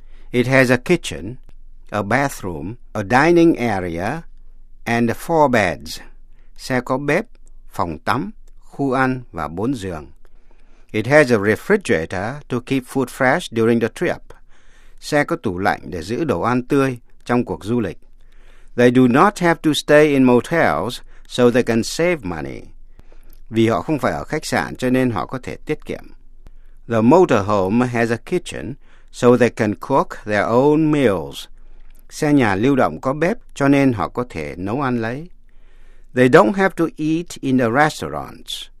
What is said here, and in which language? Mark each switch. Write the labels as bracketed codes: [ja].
[en] It has a kitchen, a bathroom, a dining area, and 4 beds. [vi] Xe có bếp, phòng tắm, khu ăn và 4 giường. [en] It has a refrigerator to keep food fresh during the trip. [vi] Xe có tủ lạnh để giữ đồ ăn tươi trong cuộc du lịch. [en] They do not have to stay in motels, so they can save money. [vi] Vì họ không phải ở khách sạn cho nên họ có thể tiết kiệm. [en] The motorhome has a kitchen, so they can cook their own meals. [vi] Xe nhà lưu động có bếp cho nên họ có thể nấu ăn lấy. [en] They don't have to eat in the restaurants.